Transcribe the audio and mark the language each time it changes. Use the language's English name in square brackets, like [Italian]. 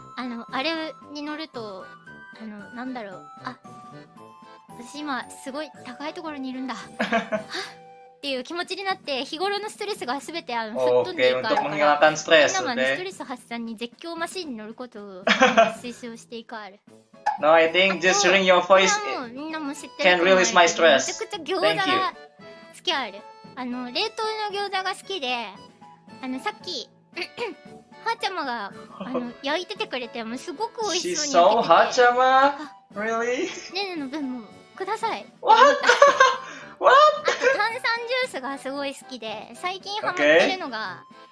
[Japanese] あのあれに乗るとあのなんだろう、あ、私今すごい高いところにいるんだ。っていう気持ちになって日頃のストレスがすべてあの吹っ飛んでいくから、 okay. 今のストレス発散に絶叫マシーンに乗ることを推奨していかある。 [English] No, I think just hearing your voice can release my stress. Thank you. [Japanese] 餃子が好きある。あの冷凍の餃子が好きで、あのさっきハチャマがあの焼いててくれて、もうすごく美味しそうに焼いてて。 [English] She's so ハチャマ really? [Japanese] ねねの分もください。 [English] What? What? [Japanese] あと炭酸ジュースがすごい好きで、最近ハマってるのが、